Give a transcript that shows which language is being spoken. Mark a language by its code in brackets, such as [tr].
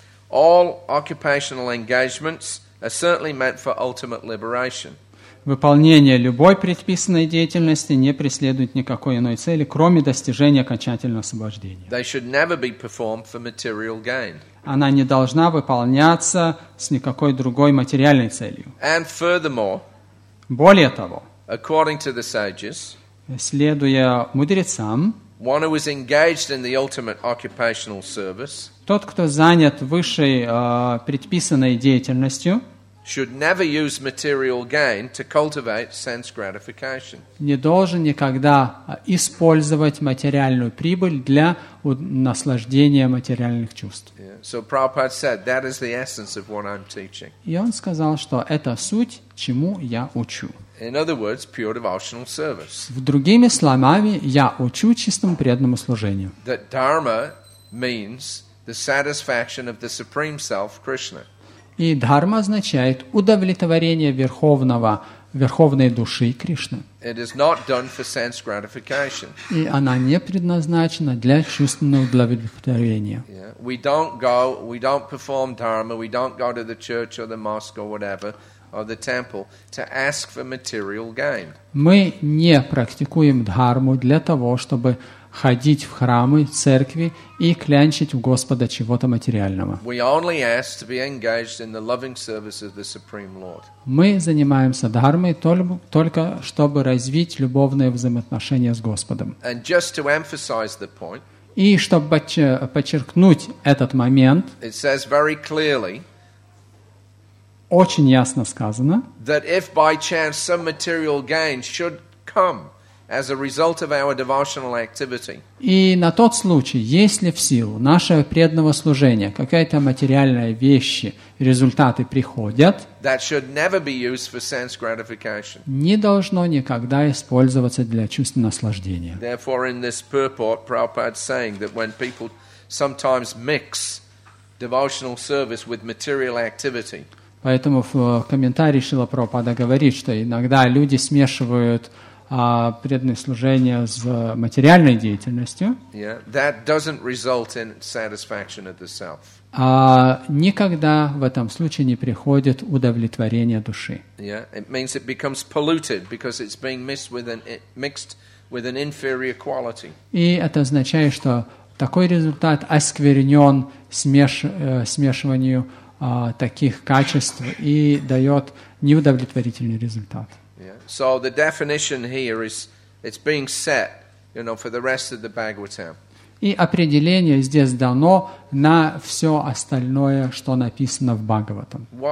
[en] All occupational engagements are certainly meant for ultimate liberation. [ru] Выполнение любой предписанной деятельности не преследует никакой иной цели, кроме достижения окончательного освобождения. [en] They should never be performed for material gain. [ru] Она не должна выполняться с никакой другой материальной целью. [en] And furthermore, [ru] более того, [en] according to the sages, [ru] следуя мудрецам, [en] one who is engaged in the ultimate occupational service, [ru] тот, кто занят высшей предписанной деятельностью, [en] should never use material gain to cultivate sense gratification. [ru] Не должен никогда использовать материальную прибыль для наслаждения материальных чувств. [en] Yeah. So Prabhupada said, that is the essence of what I'm teaching. [ru] И он сказал, что это суть, чему я учу. [en] In other words, pure devotional service. [ru] В другими словами, я учу чистому преданному служению. [en] That dharma means the satisfaction of the Supreme Self, Krishna. [ru] И дхарма означает удовлетворение верховной души Кришны. [en] It is not done for sense gratification. [ru] И она не предназначена для чувственного удовлетворения. [en] Yeah. We don't go, we don't perform dharma, we don't go to the church or the mosque or whatever, or the temple to ask for material gain. [ru] Мы не практикуем дхарму для того, чтобы ходить в храмы, церкви и клянчить у Господа чего-то материального. [en] We only ask to be engaged in the loving service of the Supreme Lord. [ru] Мы занимаемся дхармой только чтобы развить любовные взаимоотношения с Господом. [en] And just to emphasize the point, [ru] и чтобы подчеркнуть этот момент, [en] it says very clearly, [ru] очень ясно сказано, [en] that if by chance some material gain should come as a result of our devotional activity. [ru] И на тот случай, если в силу нашего преданного служения какая-то материальная вещь, результаты приходят, [en] that should never be used for sense gratification. [ru] Не должно никогда использоваться для чувственного наслаждения. [en] Therefore, in this purport, Prabhupada's saying that when people sometimes mix devotional service with material activity. [ru] Поэтому в комментарии Шрила Прабхупада говорит, что иногда люди смешивают преданное служение с материальной деятельностью, [en] yeah, that doesn't result in satisfaction of the self. [ru] Никогда в этом случае не приходит удовлетворение души. [en] Yeah, it means it becomes polluted because it's being mixed with an inferior quality. [ru] И это означает, что такой результат осквернен смешиванию таких качеств и дает неудовлетворительный результат. [en] Yeah. So the definition here is it's being set, you know, for the rest of the Bhagavatam. [ru] И определение здесь дано на все остальное, что написано в Бхагаватам.